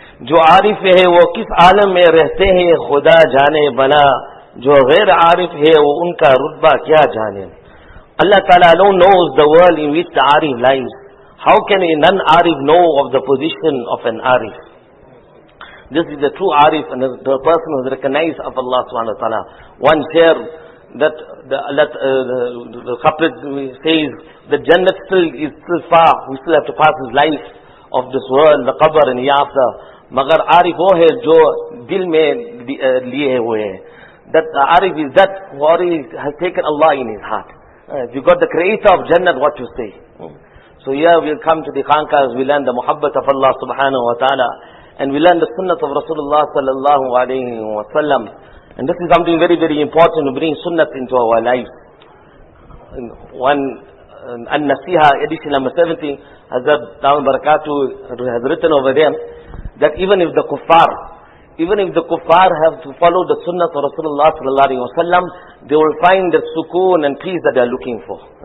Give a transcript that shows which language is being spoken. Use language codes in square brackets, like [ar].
[ur] جو عارف ہے وہ کس عالم میں رہتے ہیں خدا جانے بنا جو غیر عارف ہے وہ ان کا رتبہ کیا جانے اللہ تعالیٰ [en] alone knows the world in which the عارف lies. How can a non-عارف know of the position of an عارف? This is the true عارف, and the person who is recognized of Allah subhanahu wa ta'ala. One share that the couplet says that Jannah is still far, we still have to pass his life of this world, the qabr and hereafter. [ur] مگر عارف وہ ہے جو دل میں لیے ہوئے ہیں. [en] That عارف is that who has taken Allah in his heart. If you got the creator of Jannah, what you say. So here we'll come to the khankas, we learn the muhabbat of Allah subhanahu wa ta'ala, and we learn the sunnah of Rasulullah sallallahu alayhi wa sallam. And this is something very, very important to bring sunnah into our lives. One, An-Nasiha, edition number 70, Hazrat Daud Barakatu has written over there, that even if the kuffar have to follow the sunnah of Rasulullah sallallahu alaihi wasallam, they will find the sukoon and peace that they are looking for.